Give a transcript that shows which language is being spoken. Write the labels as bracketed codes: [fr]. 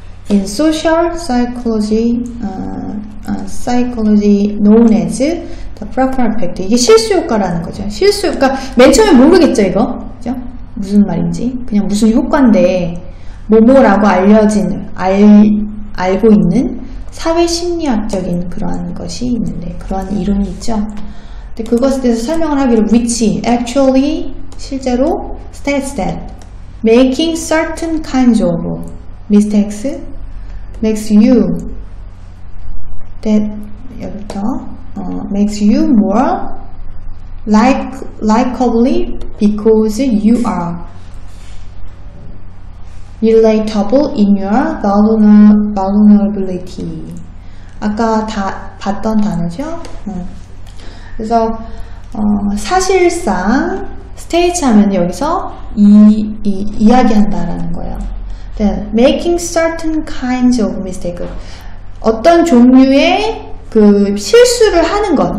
[en] In social psychology, psychology known as the Prochnow effect. [ko] 이게 실수효과라는 거죠. 실수효과. 맨 처음에 모르겠죠, 이거? 그죠? 무슨 말인지. 그냥 무슨 효과인데, 뭐뭐라고 알려진, 알고 있는 사회 심리학적인 그러한 것이 있는데, 그러한 이론이 있죠. 근데 그것에 대해서 설명을 하기로, [en] which actually, [ko] 실제로, [en] states that making certain kinds of mistakes makes you that [ko] 여기부터 [en] makes you more likeably because you are relatable in your vulnerability. [ko] 아까 다 봤던 단어죠. 그래서 사실상 state 하면 여기서 이야기한다라는 거예요. [en] Making certain kinds of mistake. [ko] 어떤 종류의 그 실수를 하는 것.